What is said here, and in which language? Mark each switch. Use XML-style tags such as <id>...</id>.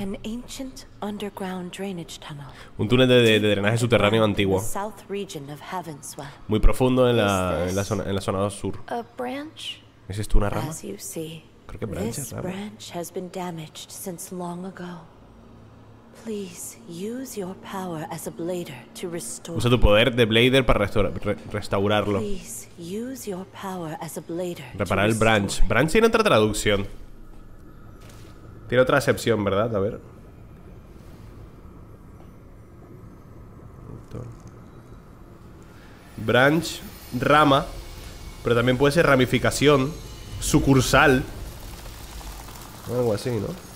<en>An ancient underground drainage tunnel.</en> <es>Un túnel de drenaje subterráneo antiguo.</es> <en>South region of Havenswell.</en> <es>Muy profundo en la zona sur.</es> <en>A branch?</en> <es>¿Es esto una rama?</es> <en>As you see,</en> <es>creo que branch es rama.</es> <en>This branch has been damaged since long ago. Please use your power as a blader to restore.</en> <es>Usa tu poder de blader para restaurarlo.</es> <en>Please use your power as a blader.</en> <es>Reparar el branch. Branch tiene otra traducción. Tiene otra acepción, ¿verdad? A ver. Branch, rama, pero también puede ser ramificación, sucursal, algo así, ¿no?</es>